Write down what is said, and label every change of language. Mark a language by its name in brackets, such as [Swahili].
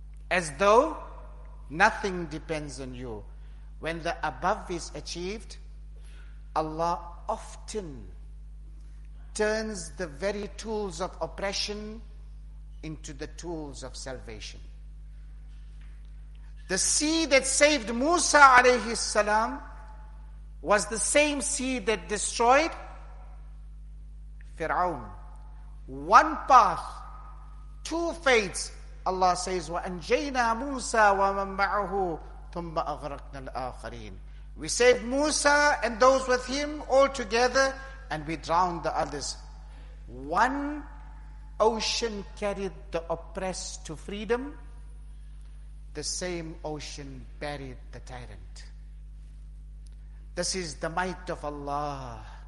[English] As though nothing depends on you. When the above is achieved, Allah often turns the very tools of oppression into the tools of salvation. The sea that saved Musa alayhi salam was the same sea that destroyed Fir'aun. One path, two fates. Allah says, [Arabic] وَأَنْجَيْنَا مُوسَى وَمَنْ مَعَهُ ثُمَّ أَغْرَقْنَا الْآخَرِينَ. [English] We saved Musa and those with him all together, and we drowned the others. One ocean carried the oppressed to freedom. The same ocean buried the tyrant. This is the might of Allah.